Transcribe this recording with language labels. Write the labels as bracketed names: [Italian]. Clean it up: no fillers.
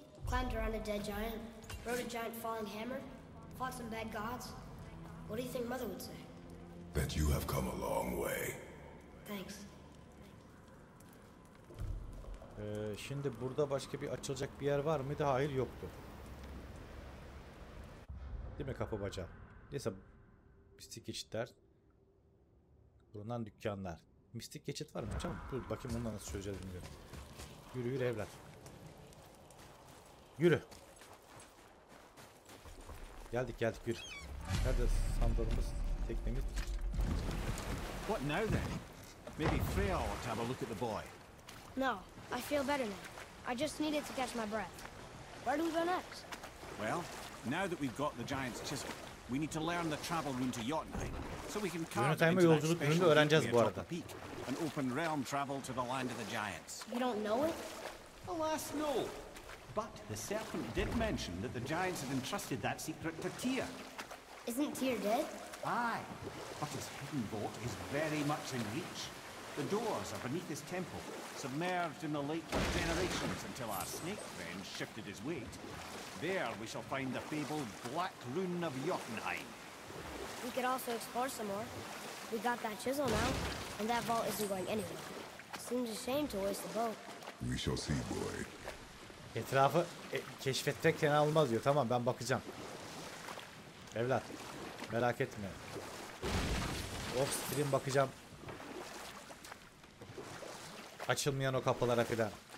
[English] Climbed around a dead giant, rode a giant falling hammer, fought some bad gods. What do you think mother would say? That you have come a long way. Thanks. [Turkish] Şimdi burada başka bir açılacak bir yer var mıydı? Hayır, yoktu. Değil mi kapı bacağı? Neyse. Mistik geçitler. Bulunan dükkanlar. Mistik geçit var mı? Çabuk dur bakayım onu nasıl çözeceğiz diyorum. Yürü yürü evlat. Yürü. Geldik geldik yürü. Nerede sandalımız, teknemiz? [English] What now then? Maybe Freya ought to have a look at the boy. No, I feel better now. I just needed to catch my breath. Where do we go next? Well, Now that we've got the giant's chisel, we need to learn the travel rune to Jotunheim, so we can carve it into that special rune we have on the peak, an open realm travel to the land of the giants. You don't know it? Alas, no. But the serpent did mention that the giants had entrusted that secret to Tyr. Isn't Tyr dead? Aye, but his hidden vault is very much in reach. The doors are beneath his temple, submerged in the lake for generations until our snake friend shifted his weight. There we shall find the fabled Black Rune of Jotunheim. We could also explore some more. We got that chisel now, and that vault isn't going anywhere. Seems a shame to waste the boat. We shall see, boy. [Turkish] Etrafı keşfetmek fena olmaz diyor. Tamam, ben bakacağım. Evlat, merak etme. Off-stream bakacağım. Açılmayan o kapılara filan.